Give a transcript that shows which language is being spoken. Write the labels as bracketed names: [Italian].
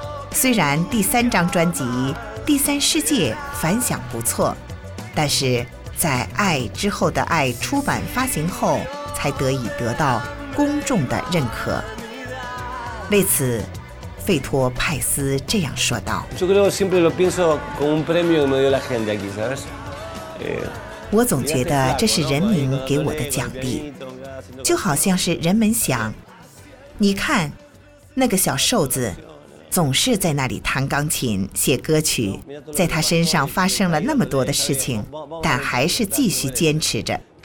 [Chinese] 虽然第3张专辑《第三世界》反响不错，但是在《爱之后的爱》出版发行后才得以得到公众的认可。为此，费托派斯这样说道。 [Spanish] Yo creo siempre lo pienso como un premio que me dio la gente aquí, ¿sabes? [Chinese] 我总觉得这是人民给我的奖励，就好像是人们想，你看，那个小瘦子总是在那里弹钢琴、写歌曲，在他身上发生了那么多的事情，但还是继续坚持着。